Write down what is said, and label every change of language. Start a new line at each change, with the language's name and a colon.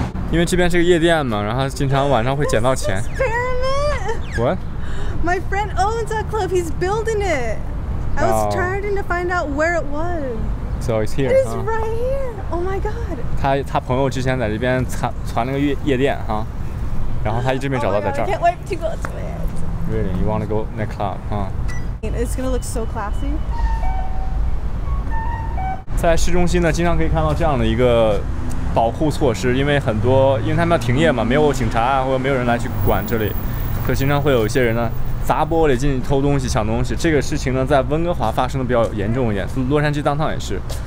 Chinese: 因为这边是个夜店嘛，然后经常晚上会捡到钱。
English: Experiment! What? My friend owns that club, he's building it. I was trying to find out where it was. So it's here, It's right here, oh my god.
Chinese: 他朋友之前在这边传了个夜店哈，然后他一直没找到在这儿。
English: Oh my god, I can't wait to go to it. Really, you want to go in that club, huh? It's gonna look so classy.
Chinese: 在市中心呢，经常可以看到这样的一个保护措施，因为很多，因为他们要停业嘛，没有警察啊，或者没有人来去管这里，所以经常会有一些人呢砸玻璃进去偷东西、抢东西。这个事情呢，在温哥华发生的比较严重一点，洛杉矶当趟也是。